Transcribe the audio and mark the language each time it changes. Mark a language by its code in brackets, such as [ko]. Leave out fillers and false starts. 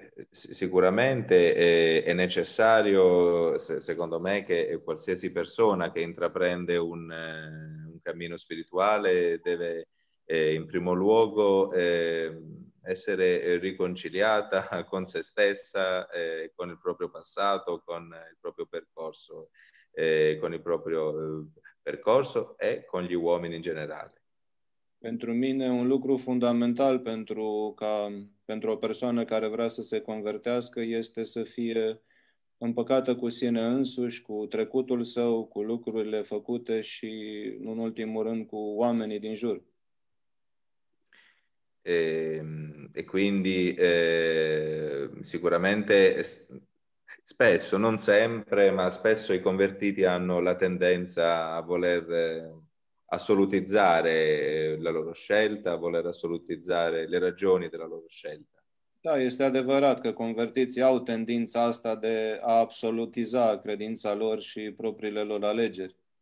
[it] Sicuramente è necessario, secondo me, che qualsiasi persona che intraprende un cammino spirituale deve in primo luogo essere riconciliata con se stessa, con il proprio passato, con il proprio percorso, con il proprio percorso e con gli uomini in generale. [ro] Pentru mine un lucru fundamental pentru o persoană care vrea să se convertească este să fie împăcată cu sine însuși, cu trecutul său, cu lucrurile făcute și, în ultimul rând, cu oamenii din jur. [it] E quindi sicuramente spesso, non sempre, ma spesso i convertiti hanno la tendenza a voler assolutizzare la loro scelta, a voler assolutizzare le ragioni della loro scelta. [ro] Da, este adevărat că convertiții au tendința asta de a absolutiza credința lor și propriile lor alegeri.